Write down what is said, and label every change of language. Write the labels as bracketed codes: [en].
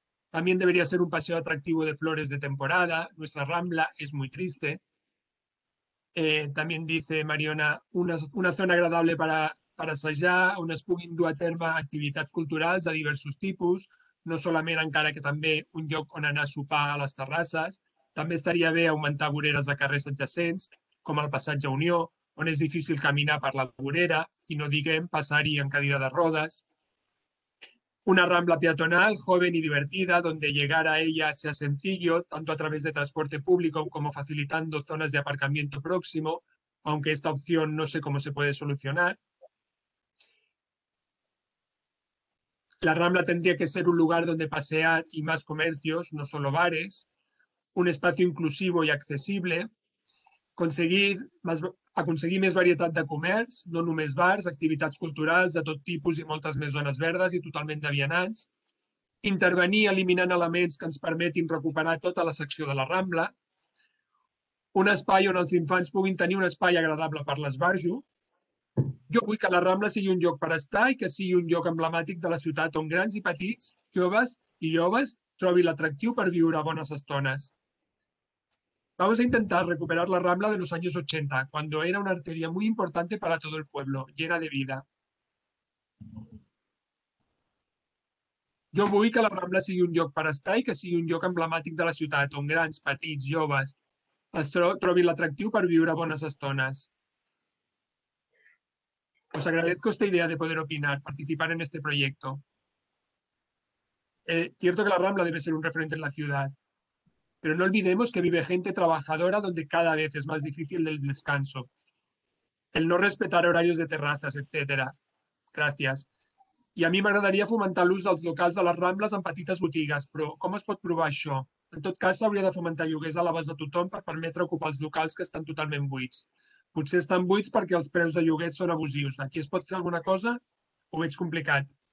[es] También debería ser un paseo atractivo de flores de temporada. Nuestra rambla es muy triste. También dice Mariona, [ca] una zona agradable para assajar, on es puguin dur a terme activitats culturals de diversos tipus, no solament encara que també un lloc on anar a sopar a les terrasses. També estaria bé augmentar voreres de carrers adjacents, com el passatge Unió, on és difícil caminar per la vorera i no diguem passar-hi en cadira de rodes. [es] Una rambla peatonal, joven y divertida, donde llegar a ella sea sencillo, tanto a través de transporte público como facilitando zonas de aparcamiento próximo, aunque esta opción no sé cómo se puede solucionar. La rambla tendría que ser un lugar donde pasear y más comercios, no solo bares. Un espacio inclusivo y accesible. [ca] Aconseguir més varietat de comerç, no només bars, activitats culturals de tot tipus i moltes més zones verdes i totalment de vianants. Intervenir eliminant elements que ens permetin recuperar tota la secció de la Rambla. Un espai on els infants puguin tenir un espai agradable per l'esbarjo. Jo vull que la Rambla sigui un lloc per estar i que sigui un lloc emblemàtic de la ciutat on grans i petits, joves i joves, trobi l'atractiu per viure bones estones. [es] Vamos a intentar recuperar la Rambla de los años 80, cuando era una arteria muy importante para todo el pueblo, llena de vida. [ca] Jo vull que la Rambla sigui un lloc per estar i que sigui un lloc emblemàtic de la ciutat, on grans, petits, joves es trobin l'atractiu per viure bones estones. [es] Os agradezco esta idea de poder opinar, participar en este proyecto. Cierto que la Rambla debe ser un referente en la ciudad, pero no olvidemos que vive gente trabajadora donde cada vez es más difícil el descanso, el no respetar horarios de terrazas, etc. Gracias. [ca] I a mi m'agradaria fomentar l'ús dels locals de les Rambles en petites botigues, però com es pot provar això? En tot cas, s'hauria de fomentar lloguers a l'abast de tothom per permetre ocupar els locals que estan totalment buits. Potser estan buits perquè els preus de lloguer són abusius. Aquí es pot fer alguna cosa? Ho veig complicat.